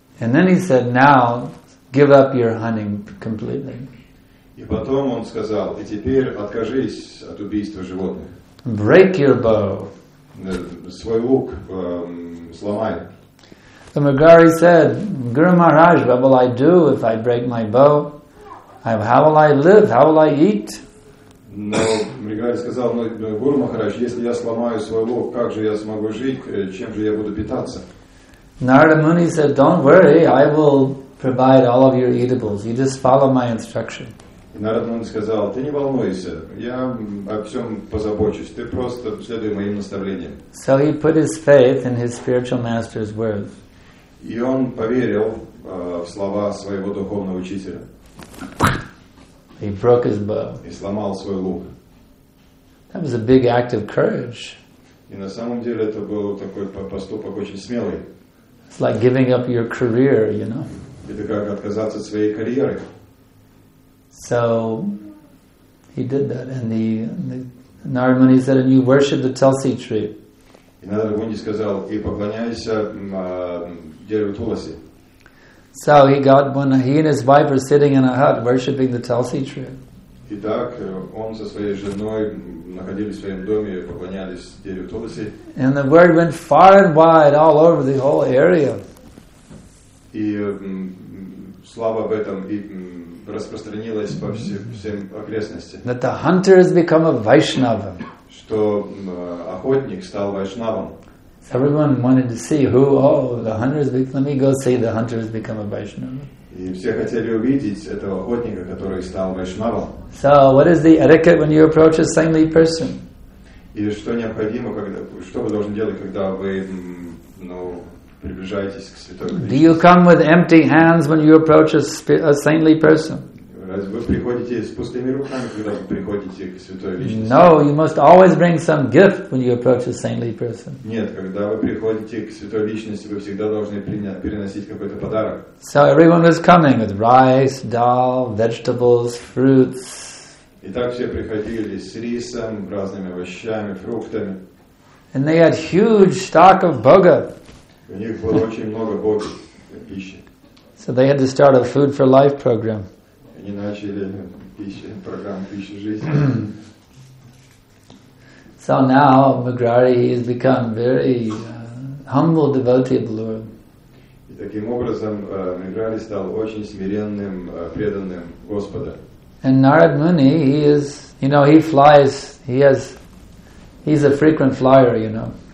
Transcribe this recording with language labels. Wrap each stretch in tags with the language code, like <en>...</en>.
<en>And then he said, now give up your hunting completely.</en> <ru>И потом он сказал: «И теперь откажись от убийства животных».</ru> <en>Break your bow.</en> <ru>Свой лук сломай.</ru> <en>The Magari said, Guru Maharaj, what will I do if I break my bow? How will I live? How will I eat?</en> <ru>Но Магари сказал: Гуру Махарадж, если я сломаю свой лук, как же я смогу жить? Чем же я буду питаться?</ru> <en>Narada Muni said, don't worry, I will provide all of your eatables. You just follow my instruction.</en> <ru>Narada Muni сказал: ты не волнуйся, я о всем позабочусь. Ты просто следуй моим наставлениям.</ru> <en>So he put his faith in his spiritual master's words.</en> <ru>И он поверил в слова своего духовного учителя.</ru> <en>He broke his bow.</en> <ru>И сломал свой лук.</ru> <en>That was a big act of courage.</en> <ru>И на самом деле это был такой поступок очень смелый.</ru> <en>It's like giving up your career, you know.</en> <ru>Это как отказаться от своей карьеры.</ru> <en>So he did that, and the Narada Muni said, "And you worship the Tulsi tree."</en> <ru>И Narada Muni сказал: и поклоняйся дереву Туласи.</ru> <en>So he got when he and his wife were sitting in a hut worshiping the Tulsi tree.</en> <ru>Итак, он со своей женой находились в своем доме и поклонялись дереву Туласи.</ru> <en>And the word went far and wide all over the whole area.</en> <ru>И слава об этом и распространилась по всем окрестностям.</ru> <en>That the hunter has become a Vaishnava.</en> <ru>Что охотник стал вайшнавом.</ru> <en>Everyone wanted to see who. Oh, the hunter has become. Let me go see the hunter has become a Vaishnava.</en> <ru>И все хотели увидеть этого охотника, который стал вайшнавом.</ru> <en>So, what is the etiquette when you approach a saintly person?</en> <ru>И что необходимо, когда, что вы должны делать, когда вы, ну, приближаетесь к святой личности?</ru> <en>Do you come with empty hands when you approach a saintly person?</en> <ru>Разве вы приходите с пустыми руками, когда вы приходите к святой личности?</ru> <en>No, you must always bring some gift when you approach a saintly person.</en> <ru>Нет, когда вы приходите к святой личности, вы всегда должны переносить какой-то подарок.</ru> <en>So everyone was coming with rice, dal, vegetables, fruits.</en> <ru>Итак, все приходили с рисом, разными овощами, фруктами.</ru> <en>And they had huge stock of bhoga.</en> <ru>У них было очень много бхоги, пищи.</ru> <en>So they had to start a food for life program.</en> <ru>И начали программу «Пища жизни».</ru> <en>So now Magrari has become very humble devotee of the Lord.</en> <ru>И таким образом Magrari стал очень смиренным преданным Господа.</ru> <en>And Narad Muni, he is, you know, he flies, he's a frequent flyer, you know.</en>